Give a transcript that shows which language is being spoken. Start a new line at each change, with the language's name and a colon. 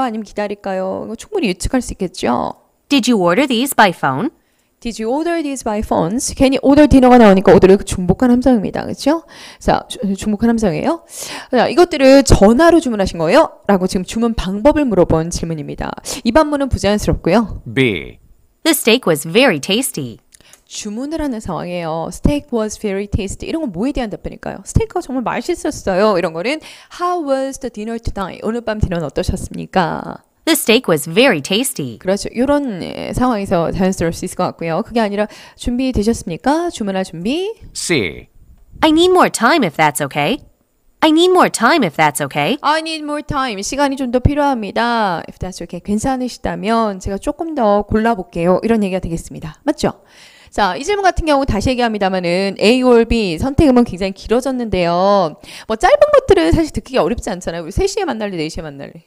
Korean: 아니면 기다릴까요? 이거 충분히 예측할 수 있겠죠?
English: Did you order these by phone? Did you order these by phones?
Korean: 괜히
English: order dinner
Korean: 가 나오니까 order를 중복한 함정입니다. 그렇죠? 자, 중복한 함정이에요. 자, 이것들을 전화로 주문하신 거예요? 라고 지금 주문 방법을 물어본 질문입니다. 이 반문은 부자연스럽고요. B.
English: The steak was very tasty.
Korean: 주문을 하는 상황이에요.
English: Steak was very tasty.
Korean: 이런 건 뭐에 대한 답변일까요? 스테이크가 정말 맛있었어요. 이런 거는
English: How was the dinner tonight?
Korean: 오늘 밤 디너는 어떠셨습니까?
English: The steak was very tasty.
Korean: 그렇죠. 이런 상황에서 자연스러울 수 있을 것 같고요. 그게 아니라 준비되셨습니까? 주문할 준비? C.
English: I need more time if that's okay. I need more time if that's okay. I need more time.
Korean: 시간이 좀 더 필요합니다.
English: If that's okay.
Korean: 괜찮으시다면 제가 조금 더 골라볼게요. 이런 얘기가 되겠습니다. 맞죠? 자, 이 질문 같은 경우 다시 얘기합니다만은 A or B 선택음은 굉장히 길어졌는데요. 뭐 짧은 것들은 사실 듣기가 어렵지 않잖아요. 3시에 만날래, 4시에 만날래.